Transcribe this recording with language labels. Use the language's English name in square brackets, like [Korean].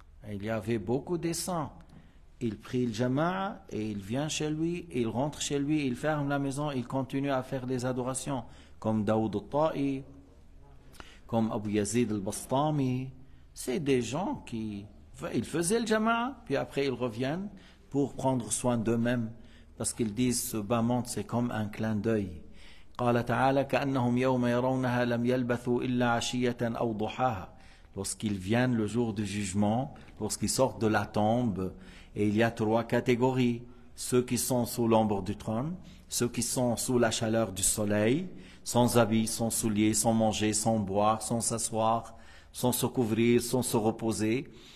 [French] Il y avait beaucoup de saints. Il prie le jamaa et il vient chez lui, il rentre chez lui, il ferme la maison, il continue à faire des adorations comme Daoud al-Ta'i, comme Abu Yazid al-Bastami. C'est des gens qui ils faisaient le jamaa puis après ils reviennent pour prendre soin d'eux-mêmes parce qu'ils disent ce bas monde c'est comme un clin d'œil. [Arabic] قال تعالى كأنهم يوم يرونها لم يلبثوا إلا عشية أو ضحاها. [French] Lorsqu'ils viennent le jour du jugement, lorsqu'ils sortent de la tombe, et il y a trois catégories: ceux qui sont sous l'ombre du trône, ceux qui sont sous la chaleur du soleil, sans habits, sans souliers, sans manger, sans boire, sans s'asseoir, sans se couvrir, sans se reposer.